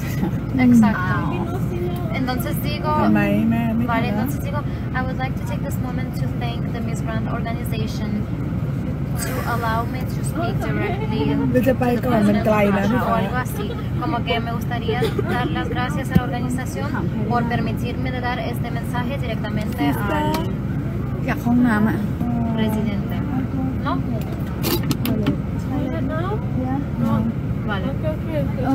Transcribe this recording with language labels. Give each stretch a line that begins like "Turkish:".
Thai: ใช่ไหม
Spanish: Entonces digo
Thai: ทำไมแม่
Spanish: Vale entonces digo
English: I would like to take this moment to thank the Miss Grand organization to allow me to speak directly to the people of Russia
Spanish: o algo así como que me gustaría dar las gracias a la organización por permitirme de dar este mensaje directamente al ¿Qué es? presidente ¿no? ¿Vale? ¿No? ¿Vale? ¿Vale?